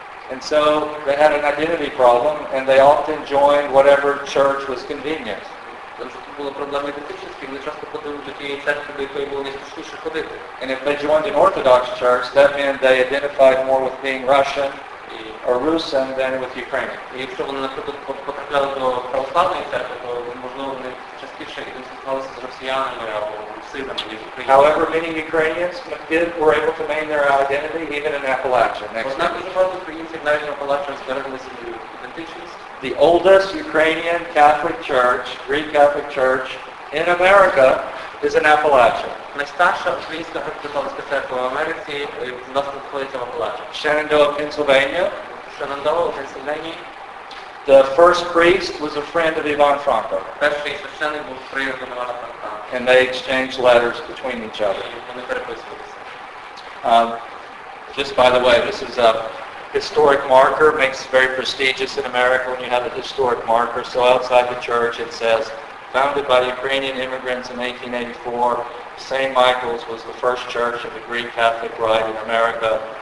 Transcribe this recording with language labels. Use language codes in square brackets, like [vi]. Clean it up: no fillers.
[en] And so they had an identity problem, and they often joined whatever church was convenient. And if they joined an Orthodox church, that meant they identified more with being Russian or Rusyn than with Ukrainian. [uk] І якщо вони, наприклад, потрапляли до православної церкви, то можливо вони частіше ідентифікувалися з росіянами або русинами, ніж українцями. [en] However, many Ukrainians were able to maintain their identity even in Appalachia. [uk] Однак дуже багато українців навіть в Апалачі зберегли свою ідентичність. [en] The oldest Ukrainian Catholic church, Greek Catholic church in America is in Appalachia. [uk] Найстарша українська католицька церква в Америці власне знаходиться в Апалачі. [en] Shenandoah, Pennsylvania. Shenandoah, Pennsylvania. The first priest was a friend of Ivan Franko. [uk] Перший священник був приятелем Івана Франка. [en] And they exchanged letters between each other. [uk] Вони переписувалися. [en] Just by the way, this is a historic marker, makes it very prestigious in America when you have a historic marker. So outside the church it says, founded by Ukrainian immigrants in 1884, St. Michael's was the first church of the Greek Catholic Rite in America.